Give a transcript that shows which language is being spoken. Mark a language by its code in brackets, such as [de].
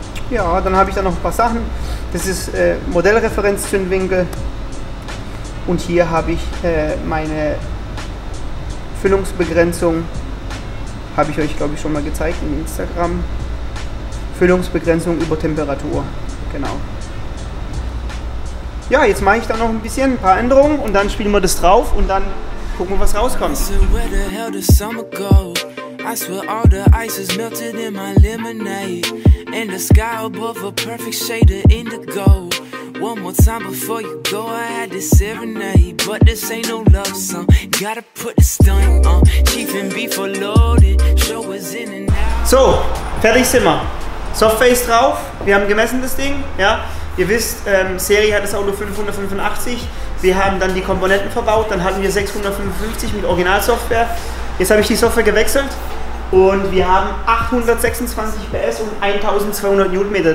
[de] Ja, dann habe ich da noch ein paar Sachen. Das ist Modellreferenzzündwinkel und hier habe ich meine Füllungsbegrenzung, habe ich euch glaube ich schon mal gezeigt in Instagram. Füllungsbegrenzung über Temperatur, genau. Ja, jetzt mache ich da noch ein bisschen, ein paar Änderungen und dann spielen wir das drauf und dann gucken wir, was rauskommt. [en] So where the hell does summer go? I swear all the ice is melted in my lemonade. And the sky above a perfect shade of indigo. One more time before you go, I had to serenade. But this ain't no love song, gotta put the stunt on. Chief and beef are loaded, show is in and out. [de] So, fertig sind wir. Softface drauf, wir haben gemessen das Ding, ja. Ihr wisst, Serie hat das Auto 585. Wir haben dann die Komponenten verbaut, dann hatten wir 655 mit Originalsoftware. Jetzt habe ich die Software gewechselt und wir haben 826 PS und 1200 Newtonmeter.